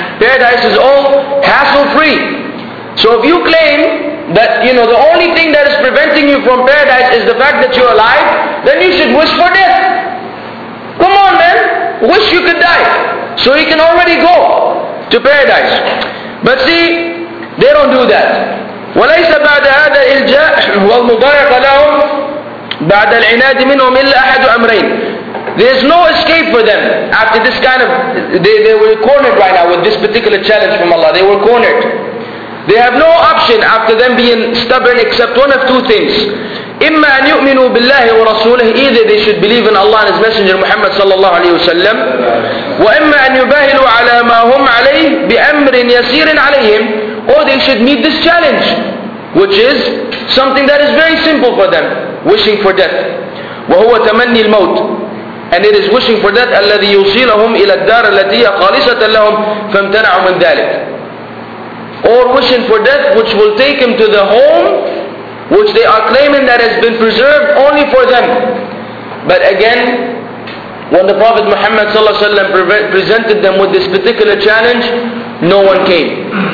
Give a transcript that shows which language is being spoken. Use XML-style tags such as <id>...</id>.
<en>Paradise is all hassle free. So if you claim that, you know, the only thing that is preventing you from paradise is the fact that you're alive, then you should wish for death. Come on, man, wish you could die so you can already go to paradise. But see, they don't do that.</en> <ar>وليس بعد هذا الجاء والمضايق لهم بعد العناد منهم إلا أحد أمرين.</ar> <en>There's no escape for them after this kind of, they were cornered right now with this particular challenge from Allah. They were cornered. They have no option after them being stubborn except one of two things.</en> <ar>إما أن يؤمنوا بالله ورسوله,</ar> <en>either they should believe in Allah and His Messenger Muhammad صلى الله عليه وسلم,</en> <ar>وإما أن يباهلوا على ما هم عليه بأمر يسير عليهم,</ar> <en>or they should meet this challenge, which is something that is very simple for them, wishing for death.</en> <ar>وهو تمني الموت.</ar> <en>And it is wishing for that</en> <ar>الذي يوصلهم إلى الدار التي هي خالصة لهم فامتنعوا من ذلك.</ar> <en>Or wishing for death which will take him to the home which they are claiming that has been preserved only for them. But again, when the Prophet Muhammad sallallahu alaihi wasallam presented them with this particular challenge, no one came.</en>